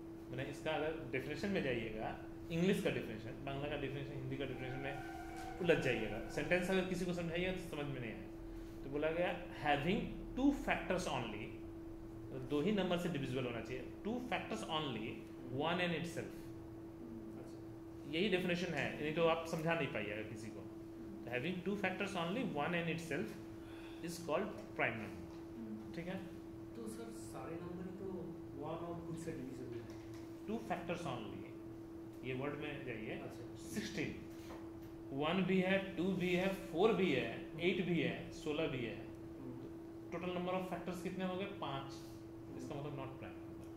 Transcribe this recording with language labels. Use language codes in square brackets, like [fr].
[hi] मैंने इसका अगर डेफिनेशन में जाइएगा, इंग्लिश का डेफिनेशन, बांग्ला का डेफिनेशन, हिंदी का डेफिनेशन में उलझ जाइएगा, सेंटेंस अगर किसी को समझाइए तो समझ में नहीं आए। तो बोला गया [en] having two factors only, [hi] दो ही नंबर से डिविजिबल होना चाहिए, [en] two factors only, 1 and itself, [hi] यही डेफिनेशन है, नहीं तो आप समझा नहीं पाइएगा किसी को। [en] Having two factors only, 1 and itself is called prime number. [hi] ठीक है? तो सर सारे नंबर तो 1 और खुद से divisible हैं। [en] Two factors only, [hi] ये [en] word [hi] में जाइए। अच्छा। 16, 1 भी है, 2 भी है, 4 भी है, 8 भी है, 16 भी है। [en] Total number of factors [hi] कितने हो गए? [en] 5. [hi] इसका मतलब [en] not prime number.